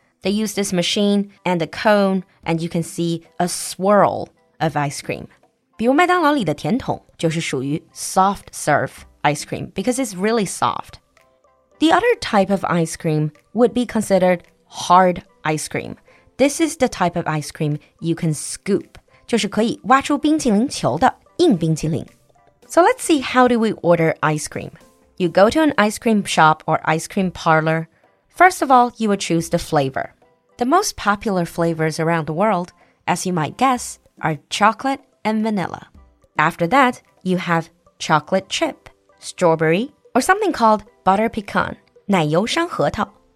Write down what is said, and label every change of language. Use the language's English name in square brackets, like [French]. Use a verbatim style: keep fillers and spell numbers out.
[English] They use this machine and a cone, and you can see a swirl of ice cream. [Chinese] 比如麦当劳里的甜筒就是属于 [English] soft serve ice cream because it's really soft. The other type of ice cream would be considered hard ice cream. This is the type of ice cream you can scoop. [Chinese] 就是可以挖出冰淇淋球的硬冰淇淋。 [English] So let's see, how do we order ice cream? You go to an ice cream shop or ice cream parlor. First of all, you would choose the flavor. The most popular flavors around the world, as you might guess, are chocolate and vanilla. After that, you have chocolate chip, strawberry, or something called butter pecan, [Chinese] 奶油山核桃.